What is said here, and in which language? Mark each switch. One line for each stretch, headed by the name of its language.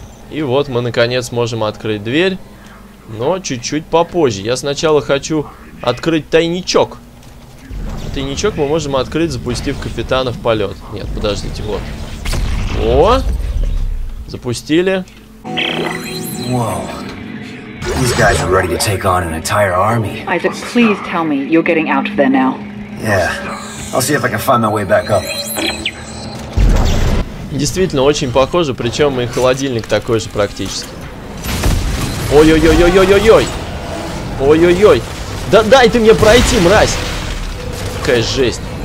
Russian: И вот мы наконец можем открыть дверь. Но чуть-чуть попозже. Я сначала хочу открыть тайничок. Тайничок мы можем открыть, запустив капитана в полет. Нет, подождите, вот. О! Запустили.
English: These guys are ready to take on an entire army. Isaac, please tell me you're getting out of there now. Yeah. I'll see if I can find my way back up.
Russian: Действительно, очень похоже, причем и холодильник такой же практически. Ой-ой-ой-ой-ой-ой-ой! Ой-ой-ой! Да дай ты мне пройти, мразь! Какая жесть!